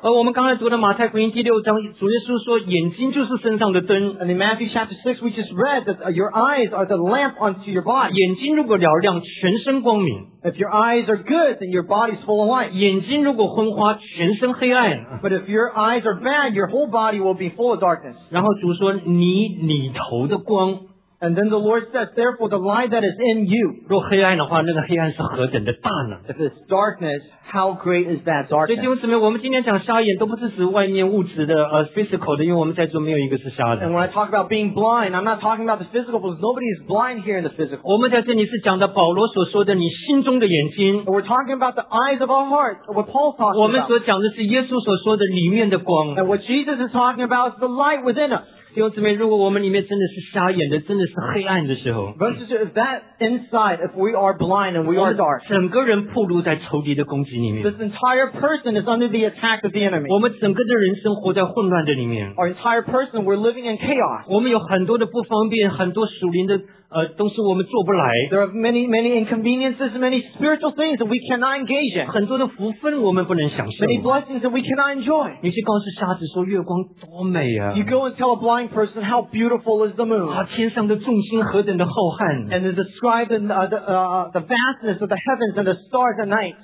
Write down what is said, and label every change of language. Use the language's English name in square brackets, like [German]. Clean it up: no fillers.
[Chinese] 而我们刚才读的马太福音第六章主耶稣说眼睛就是身上的灯 [English] and in Matthew chapter 6 we just read that your eyes are the lamp unto your body [Chinese] 眼睛如果嘹亮全身光明 [English] if your eyes are good then your body is full of light [Chinese] 眼睛如果昏花全身黑暗 [English] but if your eyes are bad your whole body will be full of darkness [Chinese] 然后主说你里头的光 [English] and then the Lord says therefore the light that is in you [Chinese] 若黑暗的话那个黑暗是何等的大呢 [English] if it's darkness how great is that darkness [Chinese] 所以弟兄姊妹我们今天讲瞎眼都不是指外面物质的physical 的因为我们在座没有一个是瞎的 [English] and when I talk about being blind I'm not talking about the physical because nobody is blind here in the physical [Chinese] 我们在这里是讲的保罗所说的你心中的眼睛 [English] and we're talking about the eyes of our heart what Paul talks about [Chinese] 我们所讲的是耶稣所说的里面的光 [English] and what Jesus is talking about is the light within us [Chinese] 弟兄姊妹，如果我们里面真的是瞎眼的，真的是黑暗的时候 [English] ，But if that inside, if we are blind and we are dark, [Chinese] 整个人暴露在仇敌的攻击里面 [English] ，This entire person is under the attack of the enemy. [Chinese] 我们整个的人生活在混乱的里面 [English] ，Our entire person we're living in chaos. [Chinese] 我们有很多的不方便，很多属灵的东西我们做不来 [English] ，There are many many inconveniences, many spiritual things that we cannot engage in. [Chinese] 很多的福分我们不能享受 [English] ，Many blessings that we cannot enjoy. [Chinese] 你去告诉瞎子说月光多美啊 [English] ，You go and tell a blind person how beautiful is the moon [Chinese] 啊天上的众星何等的浩瀚 [English] and to describe the vastness of the heavens and the stars at night